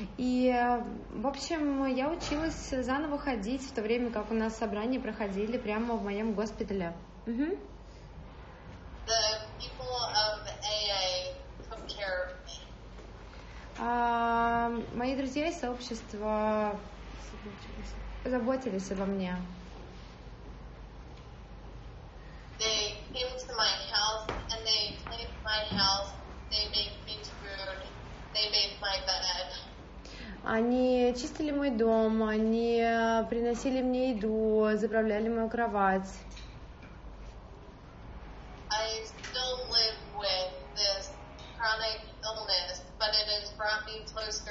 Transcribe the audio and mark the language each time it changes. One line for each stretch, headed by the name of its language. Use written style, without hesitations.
Russian: И, в общем, я училась заново ходить в то время, как у нас собрания проходили прямо в моем госпитале.
English: The people of AA took care of me.
Russian: Мои друзья и сообщество... заботились обо мне.
English: They came to my house and they cleaned my house. They made me food. They made my bed.
Russian: Они чистили мой дом, они приносили мне еду, заправляли мою кровать.
English: I still live with this chronic illness, but it has brought me to